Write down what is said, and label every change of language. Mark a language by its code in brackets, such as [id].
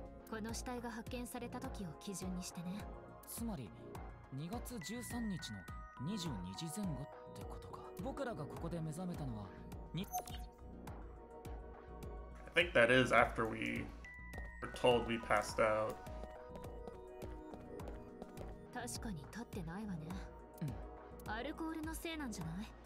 [ja] この死体が発見された時を基準にしてね。つまり2月13日の22時前後ってことか。僕らがここで目覚めたのは2 [en] I think that is after we were told we passed out. [ja] 確かに立ってないわね。うん。アルコールのせいなんじゃない？